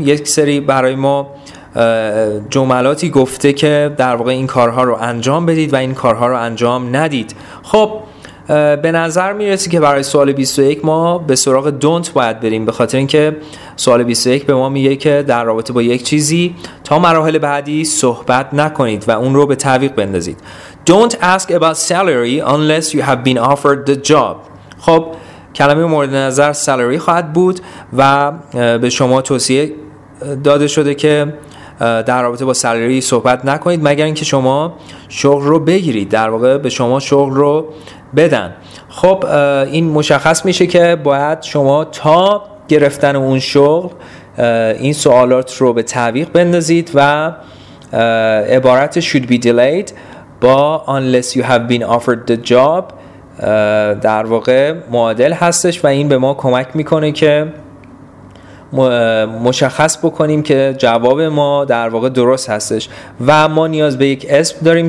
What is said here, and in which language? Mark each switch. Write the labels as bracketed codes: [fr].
[fa] یک سری برای ما جملاتی گفته که در واقع این کارها رو انجام بدید و این کارها رو انجام ندید. خب به نظر میرسه که برای سوال 21 ما به سراغ don't باید بریم، به خاطر اینکه سوال 21 به ما میگه که در رابطه با یک چیزی تا مراحل بعدی صحبت نکنید و اون رو به تعویق بندازید. [en] Don't ask about salary unless you have been offered the job. [fa] خب کلمه مورد نظر salary خواهد بود و به شما توصیه داده شده که در رابطه با salary صحبت نکنید مگر اینکه شما شغل رو بگیرید، در واقع به شما شغل رو بدن. خب این مشخص میشه که باید شما تا گرفتن اون شغل این سوالات رو به تعویق بندازید و عبارت [en] should be delayed [fa] با [en] unless you have been offered the job [fa] در واقع معادل هستش و این به ما کمک میکنه که مشخص بکنیم که جواب ما در واقع درست هستش و ما نیاز به یک اسم داریم.